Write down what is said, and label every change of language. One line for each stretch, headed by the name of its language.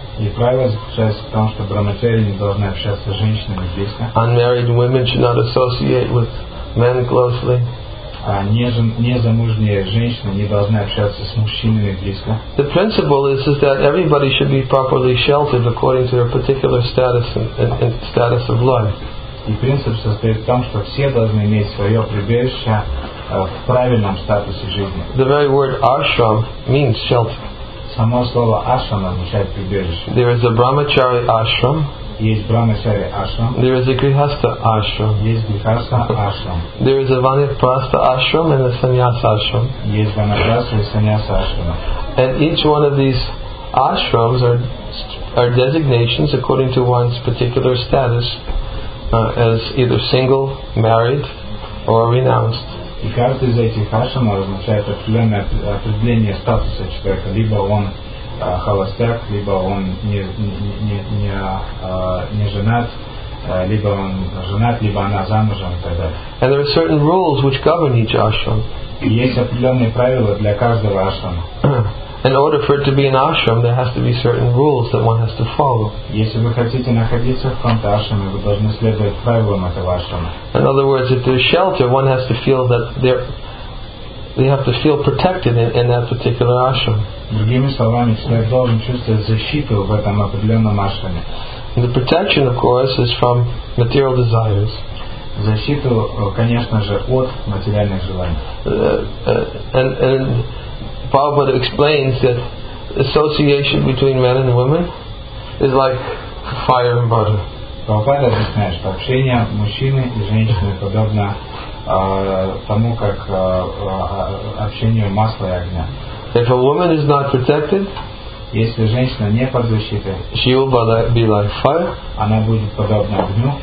Russian: И правило заключается в том, что брахмачари не должны общаться с женщинами близко.
English: Unmarried women should not associate with men closely.
Russian: А незамужние женщины не должны общаться с мужчинами близко.
English: The principle is that everybody should be properly sheltered according to their particular status and status of life.
Russian: И принцип состоит в том, что все должны иметь свое прибежище в правильном статусе жизни.
English: The very word ashram means shelter.
Russian: Само слово ashram означает прибежище.
English: There is a brahmachari ashram.
Russian: Есть брахмачари ашрам.
English: There is a grihastha ashram.
Russian: Есть грихаста ашрам.
English: There is a vanaprastha ashram and a sannyas ashram.
Russian: Есть ванапрастха и саньяса ашрама.
English: And each one of these ashrams are designations according to one's particular status as either single, married, or renounced.
Russian: И каждый из этих ашрамов означает определенное определение статуса человека. Либо он холостяк, либо он не женат, либо он женат, либо она замужем и так далее.
English: And there are certain rules which govern each ashram.
Russian: И есть определенные правила для каждого ашрама.
English: In order for it to be an ashram, there has to be certain rules that one has to follow.
Russian: Если вы хотите находиться в каком-то ашраме, вы должны следовать правилам этого ашрама.
English: In other words, if there's shelter, one has to feel that they have to feel protected in that particular ashram.
Russian: Другими словами, человек должен чувствовать защиту в этом определенном ашраме.
English: And the protection, of course, is from material desires.
Russian: Защиту, конечно же, от материальных желаний.
English: And Prabhupada explains that association between men and women is like fire and butter.
Russian: Prabhupada объясняет, что общение мужчины и женщины подобно тому, как общению масла и огня.
English: If a woman is not protected,
Russian: если женщина не под защитой,
English: she will be like fire.
Russian: Она будет подобна огню.